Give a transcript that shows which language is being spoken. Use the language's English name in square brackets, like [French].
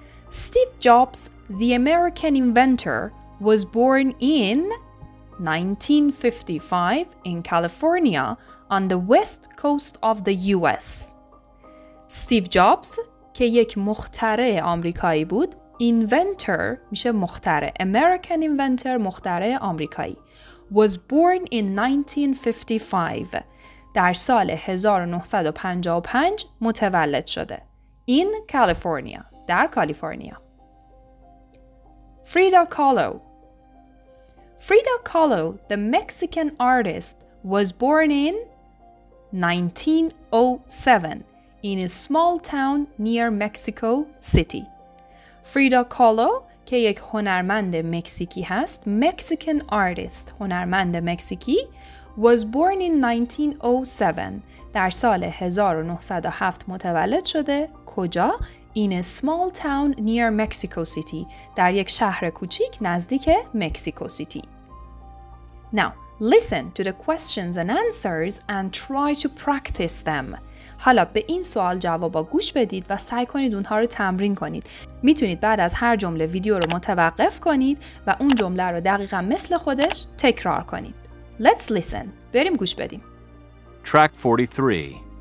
[English] Steve Jobs, the American inventor, was born in 1955 in California on the west coast of the US. [Persian] Steve Jobs که یک مخترع آمریکایی بود، [English] inventor [Persian] میشه مخترع، [English] American inventor [Persian] مخترع آمریکایی، [English] was born in 1955 [Persian] در سال 1955 متولد شده، [English] in California [Persian] در کالیفرنیا. [English] Frida Kahlo. Frida Kahlo, the Mexican artist, was born in 1907 in a small town near Mexico City. [Persian] Frida Kahlo, که یک هنرمند مکزیکی هست, [English] Mexican artist, [Persian] هنرمند مکزیکی, [English] was born in 1907, [Persian] در سال 1907 متولد شده, کجا؟ [English] In a small town near Mexico City, در یک شهر کوچیک نزدیک Mexico City. Now, listen to the questions and answers and try to practice them. [Persian] حالا به این سوال جوابا گوش بدید و سعی کنید اونها رو تمرین کنید. میتونید بعد از هر جمله ویدیو رو متوقف کنید و اون جمله رو دقیقا مثل خودش تکرار کنید. [English] Let's listen. [Persian] بریم گوش بدیم. [English] Track 43.